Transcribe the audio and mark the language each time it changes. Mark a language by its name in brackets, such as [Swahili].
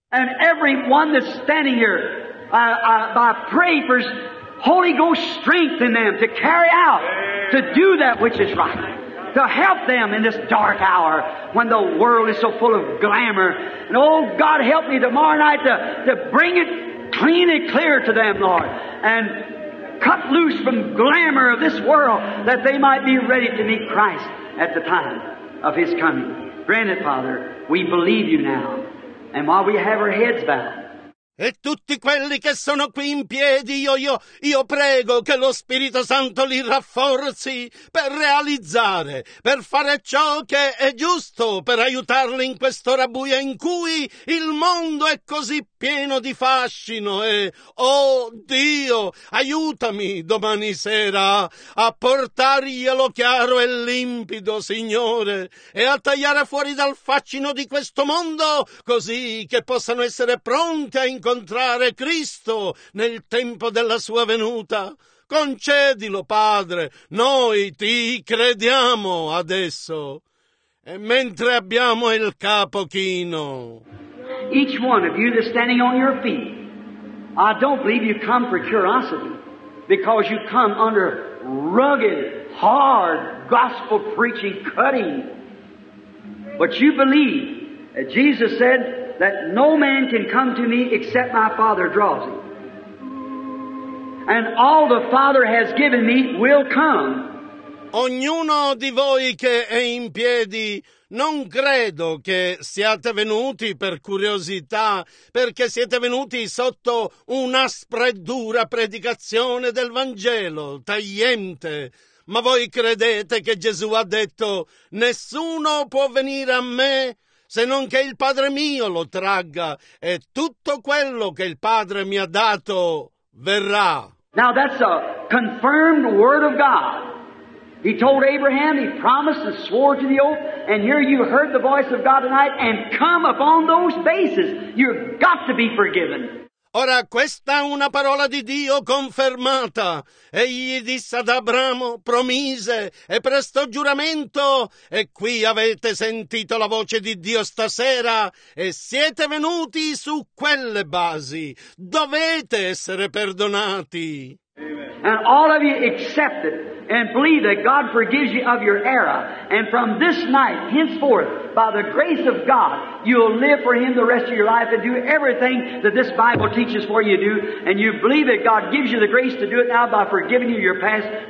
[English] And everyone that's standing here, I pray for Holy Ghost strength in them to carry out, to do that which is right, to help them in this dark hour when the world is so full of glamour. And oh God, help me tomorrow night to bring it clean and clear to them, Lord, and cut loose from glamour of this world that they might be ready to meet Christ at the time of His coming. Grant it, Father, we believe you now. And while we have our heads bowed, [Italian] e tutti quelli che sono qui in piedi, io prego che lo Spirito Santo li rafforzi per realizzare, per fare ciò che è giusto, per aiutarli in quest'ora buia in cui il mondo è così pieno di fascino. E oh Dio, aiutami domani sera a portarglielo chiaro e limpido, Signore, e a tagliare fuori dal fascino di questo mondo, così che possano essere pronti a incontrare Cristo nel tempo della sua venuta. Concedilo, Padre, noi ti crediamo adesso. E mentre abbiamo il capo chino, [English] each one of you that's standing on your feet, I don't believe you come for curiosity, because you come under rugged, hard gospel preaching cutting. But you believe that Jesus said that no man can come to me except my Father draws him. And all the Father has given me will come. [Italian] Ognuno di voi che è in piedi, non credo che siate venuti per curiosità, perché siete venuti sotto un'aspra e dura predicazione del Vangelo, tagliente. Ma voi credete che Gesù ha detto: nessuno può venire a me se non che il Padre mio lo tragga, e tutto quello che il Padre mi ha dato verrà. [English] Now that's a confirmed word of God. He told Abraham, he promised and swore to the oath, and here you heard the voice of God tonight, and come upon those bases. You've got to be forgiven. [Italian] Ora, questa è una parola di Dio confermata. Egli disse ad Abramo, promise e prestò giuramento, e qui avete sentito la voce di Dio stasera e siete venuti su quelle basi. Dovete essere perdonati. [English] Amen. And all of you accept it and believe that God forgives you of your error. And from this night henceforth, by the grace of God, you'll live for Him the rest of your life and do everything that this Bible teaches for you to do. And you believe that God gives you the grace to do it now by forgiving you your past.